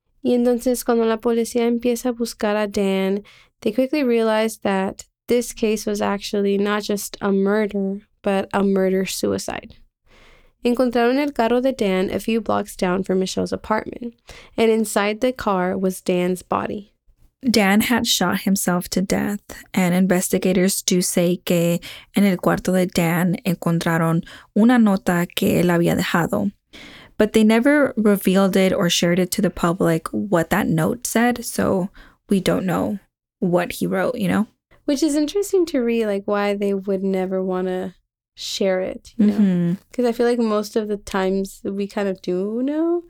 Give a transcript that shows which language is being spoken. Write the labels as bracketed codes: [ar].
[es] Y entonces, cuando la policía empieza a buscar a Dan, [en] they quickly realized that this case was actually not just a murder, but a murder-suicide. [es] Encontraron el carro de Dan [en] a few blocks down from Michelle's apartment, and inside the car was Dan's body. Dan had shot himself to death, and investigators do say [es] que en el cuarto de Dan encontraron una nota que él había dejado. [en] But they never revealed it or shared it to the public what that note said. So we don't know what he wrote, you know? Which is interesting to read, like, why they would never want to share it, you mm-hmm. know? Because I feel like most of the times we kind of do know.